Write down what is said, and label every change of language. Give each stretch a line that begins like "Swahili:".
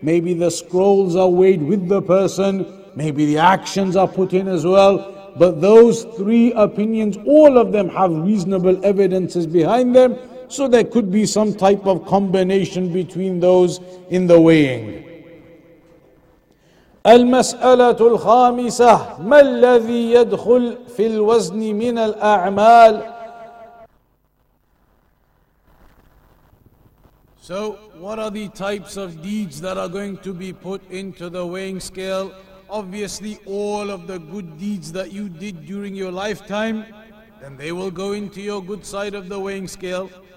English: Maybe the scrolls are weighed with the person. Maybe the actions are put in as well. But those three opinions, all of them have reasonable evidences behind them. So there could be some type of combination between those in the weighing.
Arabic: المسألة الخامسة ما الذي يدخل في الوزن من الأعمال.
English: So what are the types of deeds that are going to be put into the weighing scale? Obviously, all of the good deeds that you did during your lifetime, then they will go into your good side of the weighing scale.